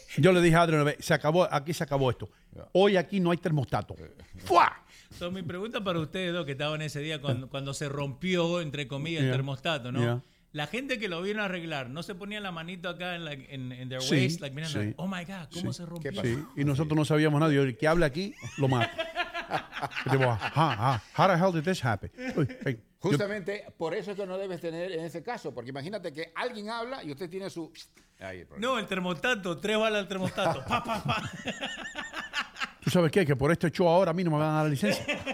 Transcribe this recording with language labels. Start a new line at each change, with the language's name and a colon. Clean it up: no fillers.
Spanish: Yo le dije a Adrián, se acabó esto. Hoy aquí no hay termostato. ¡Fua! Entonces, mi pregunta para ustedes dos que estaban ese día cuando se rompió, entre comillas, el termostato, ¿no? La gente que lo vieron arreglar, ¿no se ponía la manito acá en
English: their waist?
Spanish: Sí, like, miren, sí.
English: Oh my God,
Spanish: ¿cómo se rompió? ¿Qué pasó? Sí. Y nosotros no sabíamos nada. Yo, el que habla aquí, lo mata. Y digo,
English: how the hell did this happen?
Spanish: Justamente, por eso es que no debes tener en ese caso. Porque imagínate que alguien habla y usted tiene su... Ahí, no, el termostato, tres balas al termostato. Pa, pa, pa. ¿Tú sabes qué? Que por este show ahora a mí no me van a dar la licencia.